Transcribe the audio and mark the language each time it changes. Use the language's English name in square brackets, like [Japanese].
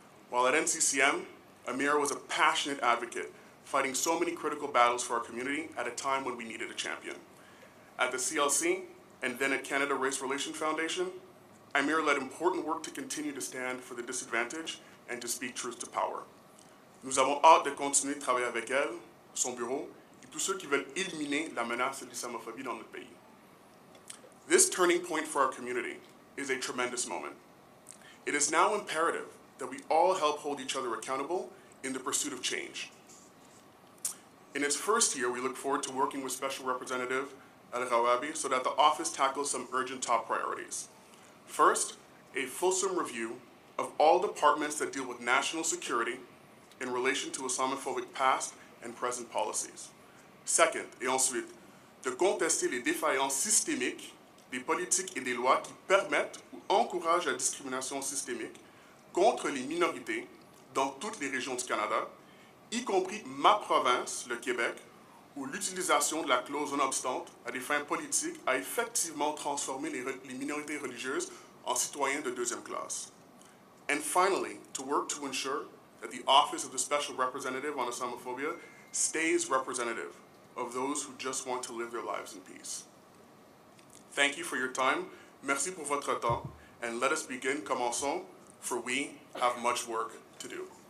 [English] While at NCCM, Amira was a passionate advocate, fighting so many critical battles for our community at a time when we needed a champion. At the CLC, and then at Canada Race Relations Foundation, Amira led important work to continue to stand for the disadvantaged and to speak truth to power. [French] Nous avons hâte de continuer de travailler avec elle, son bureau, et tous ceux qui veulent éliminer la menace de l'islamophobie dans notre pays. [English] This turning point for our community is a tremendous moment. It is now imperative that we all help hold each other accountable in the pursuit of change. In its first year, we look forward to working with Special Representative Elghawaby so that the office tackles some urgent top priorities. First, a fulsome review of all departments that deal with national security in relation to Islamophobic past and present policies. [French] Second, et ensuite, de contester les défaillances systémiques des politiques et des lois qui permettent ou encouragent la discrimination systémique contre les minorités dans toutes les régions du Canada, y compris ma province, le Québec, où l'utilisation de la clause non obstante à des fins politiques a effectivement transformé les minorités religieuses en citoyens de deuxième classe. [English] And finally, to work to ensure that the Office of the Special Representative on Islamophobia stays representative of those who just want to live their lives in peace. Thank you for your time. [French] Merci pour votre temps. [English] And let us begin. [French] Commençons. [English] For we have much work to do.